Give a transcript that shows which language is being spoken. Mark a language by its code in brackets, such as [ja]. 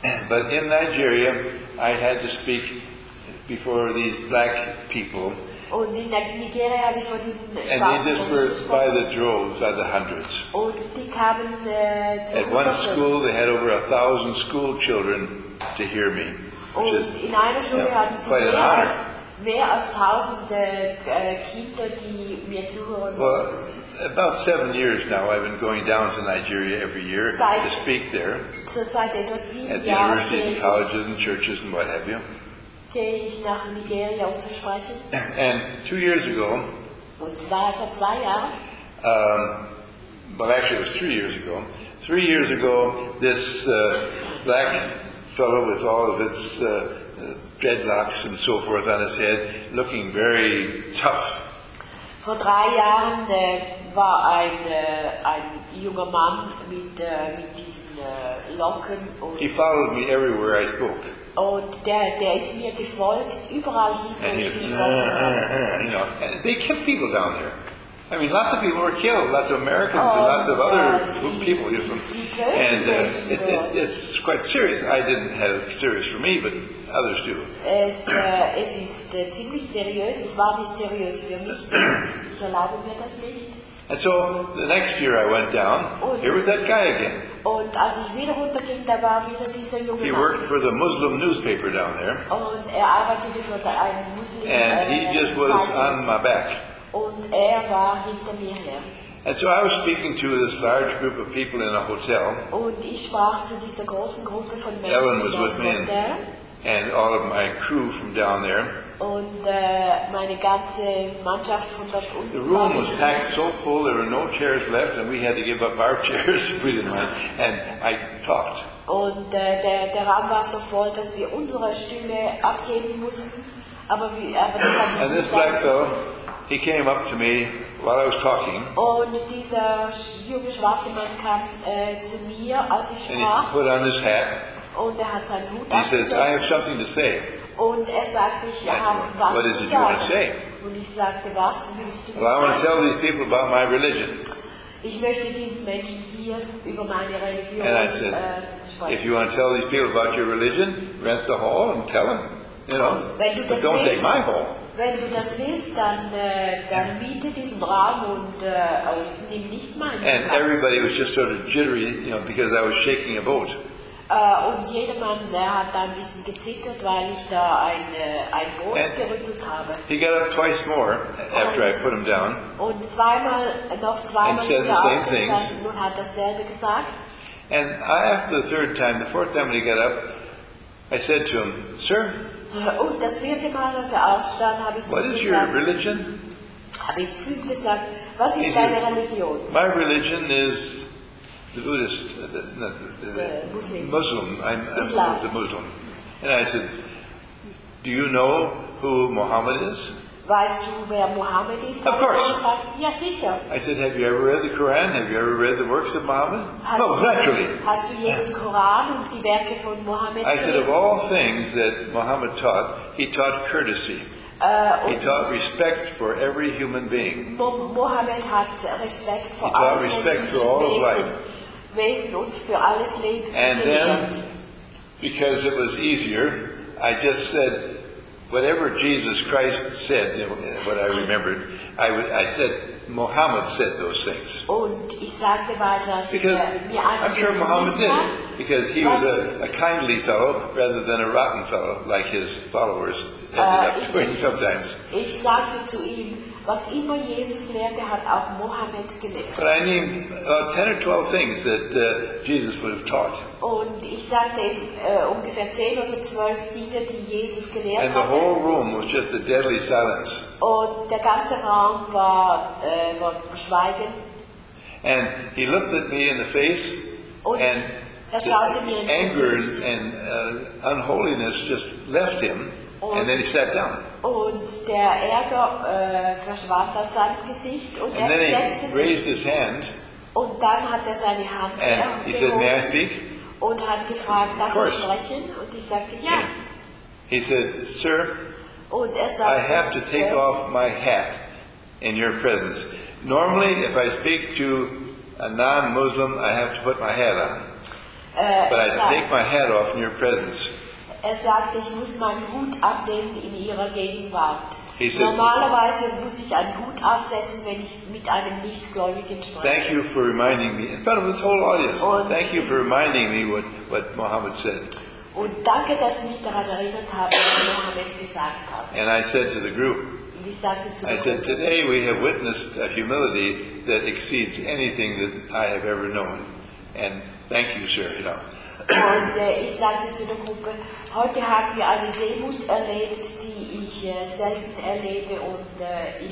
[en] But in Nigeria, I had to speak before these black people. [de] Und in Nigeria habe ich vor diesen schwarzen Menschen gesprochen. [en] And they just were by the droves, by the hundreds. [de] Und die kamen zu [en] At one school, they had over 1,000 school children to hear me. [de] Und is, in einer Schule you know, hatten sie [en] quite [de] mehr [en] an honor. [de] Als mehr als tausende Kinder, die mir zuhören. [en] Well, about 7 years now I've been going down to Nigeria every year to speak there. [de] So seit etwa 7 Jahren. [en] At the universities and colleges and churches and what have you. [de] Gehe ich nach Nigeria, um zu sprechen. [en] And 2 years ago. [de] Und zwar vor 2 Jahren. [en] Well, actually it was 3 years ago. 3 years ago, this black fellow with all of its dreadlocks and so forth on his head, looking very tough. [de] Vor 3 Jahren war ein junger Mann mit diesen Locken. Und [en] he followed me everywhere I spoke. [de] Und der ist mir gefolgt, überall hin, wo ich gesprochen habe. [en] And they killed people down there. I mean, lots of people were killed, lots of Americans and lots of other people. And it's quite serious. I didn't have serious for me, but others do. [de] Es ist ziemlich seriös. Es war nicht seriös für mich. Ich erlaube mir das nicht. [en] And so the next year I went down. [de] Und [en] here was that guy again. [de] Und als ich wieder runterging, da war wieder dieser junge Mann. [en] He worked for the Muslim newspaper down there. [de] Und er arbeitete für einen Muslim. [en] And he just was on my back. [de] Und er war hinter mir her. [en] And so I was speaking to this large group of people in a hotel. [de] Und ich sprach zu dieser großen Gruppe von Menschen. [en] Ellen was with me and all of my crew from down there. [de] Und meine ganze Mannschaft von dort unten. [en] The room was packed so full there were no chairs left and we had to give up our chairs and I talked. [de] Und der Raum war so voll, dass wir unsere Stühle abgeben mussten. Aber das hat [en] and this black fellow, he came up to me while I was talking. [de] Und dieser junge schwarze Mann kam zu mir, als ich [en] and [de] sprach. [en] He put on his hat. [de] Und er hat seinen Hut abgesetzt. [en] He says, I have something to say. [de] Und er sagt, ich habe was [en] what is it [de] sagen. [en] You want to say? [de] Und ich sagte, was willst du [en] well, [de] sagen? [en] I want to tell these people about my religion. [de] Ich möchte diesen Menschen hier über meine Religion [en] and I said, [de] sprechen. [en] If you want to tell these people about your religion, rent the hall and tell them. [de] Wenn du das willst, dann miete diesen Raum und nimm nicht meinen Platz. [en] And everybody was just sort of jittery, because I was shaking a boat. [de] Und jedermann, der hat da ein bisschen gezittert, weil ich da ein Boot gerüttelt habe. [en] He got up twice more after I put him down. [de] Und zweimal ist er aufgestanden und hat dasselbe gesagt. [en] And after the third time, the fourth time when he got up, I said to him, sir. [de] Und das vierte Mal, als er aufstand, habe ich zu ihm gesagt, was ist deine Religion? [en] My religion is the Buddhist, Muslim. Islam. I'm the Muslim. And I said, do you know who Muhammad is? [de] Weißt du, wer Muhammad ist? [en] Of course. [de] Ja, sicher. [en] I said, have you ever read the Quran? Have you ever read the works of Muhammad? Naturally. [de] Hast du je den Koran und die Werke von Muhammad gelesen? [en] I said, of all things that Muhammad taught, he taught courtesy. He taught respect for every human being. [de] Muhammad hat Respekt vor allen. [en] He taught respect for all of life. [de] Wesen und für alles Leben. [en] And then, because it was easier, I just said, whatever Jesus Christ said, what I remembered, I said, Muhammad said those things. [de] Und ich sagte, weil das, [en] because [de] mir [en] I'm sure Muhammad did, because he was a kindly fellow rather than a rotten fellow, like his followers ended up doing sometimes. [de] Ich sagte zu ihm, was immer Jesus lehrte, hat auch Mohammed gelehrt. [en] But I named about 10 or 12 things that Jesus would have taught. [de] Und ich sagte ungefähr 10 oder 12 Dinge, die Jesus gelehrt hat. [en] And the whole room was just a deadly silence. [de] Und der ganze Raum war schweigen. [en] And he looked at me in the face [de] und er schaute mir ins Gesicht. [en] Anger and unholiness just left him. And then he sat down. [de] Und der Ärger verschwand aus seinem Gesicht und [en] and [de] er setzte sich. [en] And then he raised his hand. [de] Und dann hat er seine Hand [en] and he said, may I speak? [de] Und hat gefragt, darf ich sprechen? Und ich sagte, ja. Yeah. [en] He said, sir, [de] und er sagte, [en] I have to take sir, off my hat in your presence. Normally, if I speak to a non-Muslim, I have to put my hat on. But I take my hat off in your presence. [de] Er sagte, ich muss meinen Hut abnehmen in ihrer Gegenwart. Said, normalerweise muss ich einen Hut aufsetzen, wenn ich mit einem Nichtgläubigen spreche. [en] Thank you for reminding me, in front of this whole audience, thank you for reminding me what Mohammed said. [de] Und danke, dass Sie mich daran erinnert haben, was Mohammed gesagt hat. [en] And I said to the group, I said, today we have witnessed a humility that exceeds anything that I have ever known. And thank you, sir, [de] Und ich sagte zu der Gruppe, heute haben wir eine Demut erlebt, die ich selten erlebe und ich